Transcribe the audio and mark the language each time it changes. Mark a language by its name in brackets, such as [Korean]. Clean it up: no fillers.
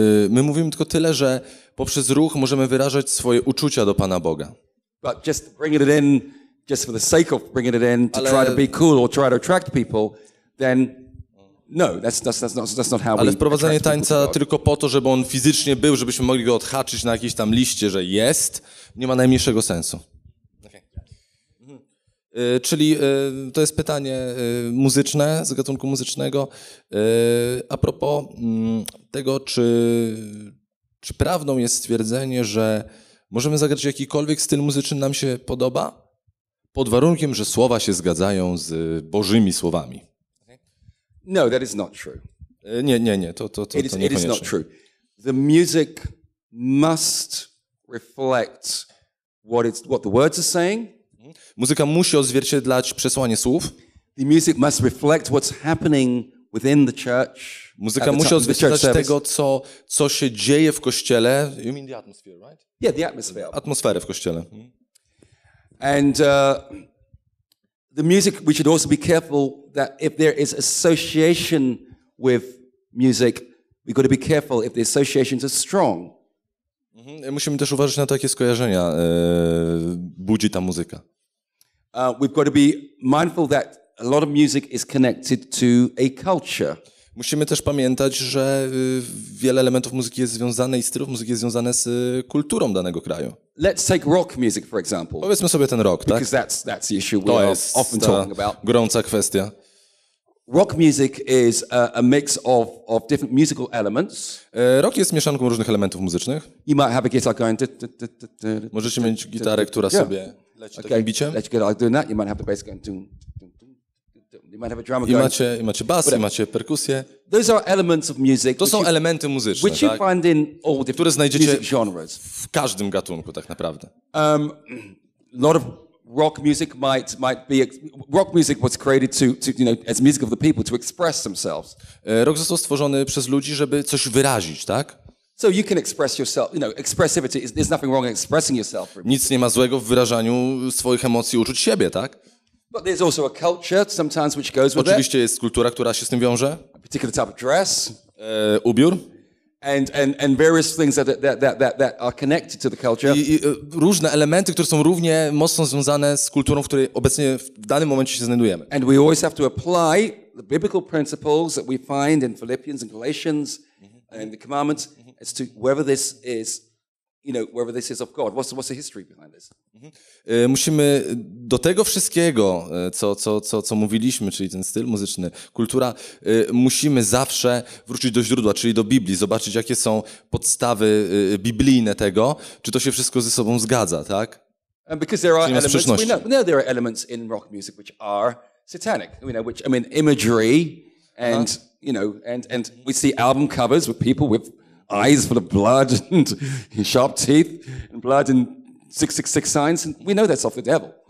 [Polish] My mówimy tylko tyle, że poprzez ruch możemy wyrażać swoje uczucia do Pana Boga. [English] But just bringing it in, just for the sake of bringing it in, to try to be cool or try to attract people, then no, that's not how we. [Polish] Ale wprowadzenie tańca tylko po to, żeby on fizycznie był, żebyśmy mogli go odhaczyć na jakiejś tam liście, że jest, nie ma najmniejszego sensu. Czyli to jest pytanie muzyczne, z gatunku muzycznego. A propos tego, czy prawdą jest stwierdzenie, że możemy zagrać jakikolwiek styl muzyczny nam się podoba, pod warunkiem, że słowa się zgadzają z Bożymi słowami. [English] No, that is not true. [Polish] Nie, to nie jest prawda. [English] It is not true. The music must reflect what the words are saying. [Polish] Muzyka musi odzwierciedlać przesłanie słów. [English] The music must reflect what's happening within the church. [Polish] Muzyka musi odzwierciedlać tego, co się dzieje w kościele. [English] You mean the atmosphere, right? Yeah, the atmosphere. [Polish] Atmosferę w kościele. [English] And the music, we should also be careful that if there is association with music, we got to be careful if the associations are strong. [Polish] Musimy też uważać na to, jakie skojarzenia budzi ta muzyka. [English] We've got to be mindful that a lot of music is connected to a culture. [Polish] Musimy też pamiętać, że wiele elementów muzyki jest związane i stylów muzyki jest związane z kulturą danego kraju. [English] Let's take rock music for example. [Polish] Powiedzmy sobie ten rock, [English] because [Polish] tak? [English] Because that's the issue we're often talking about. [Polish] To jest gorąca kwestia. [English] Rock music is a mix of different musical elements. [Polish] Rock jest mieszanką różnych elementów muzycznych. [English] You might have a guitar going. [Polish] Możecie mieć gitarę, która sobie leci takim biciem. [English] Let's get out doing that. You might have the bass going. You might have a drama going. [Polish] I macie bas, i macie perkusję. [English] Those are elements of music. [Polish] To są elementy muzyczne, [English] which you find in all different music genres. [Polish] W każdym gatunku tak naprawdę. [English] Lot of rock music might be rock music was created to you know as music of the people to express themselves. [Polish] Rock został stworzony przez ludzi, żeby coś wyrazić, tak? [English] So you can express yourself, you know, expressivity is there's nothing wrong in expressing yourself. [Polish] Nic nie ma złego w wyrażaniu swoich emocji, uczuć siebie, tak? [English] But there's also a culture sometimes which goes with it. [Polish] Oczywiście jest kultura, która się z tym wiąże. [English] A particular type of dress. [Polish] Ubiór. [English] And various things that are connected to the culture. [Polish] I różne elementy, które są równie mocno związane z kulturą, w której obecnie w danym momencie się znajdujemy. [English] And we always have to apply the biblical principles that we find in Philippians and Galatians and the commandments as to whether this is you know, whether this is of God. What's the history behind this? Mm-hmm. [Polish] Musimy do tego wszystkiego, co mówiliśmy, czyli ten styl muzyczny, kultura, musimy zawsze wrócić do źródła, czyli do Biblii, zobaczyć, jakie są podstawy biblijne tego, czy to się wszystko ze sobą zgadza, tak? [English] And because there are elements, we know there are elements in rock music which are satanic. You know, which I mean, imagery, and you know, and we see album covers with people with eyes full of blood and sharp teeth and blood and 666 signs. And we know that's of the devil.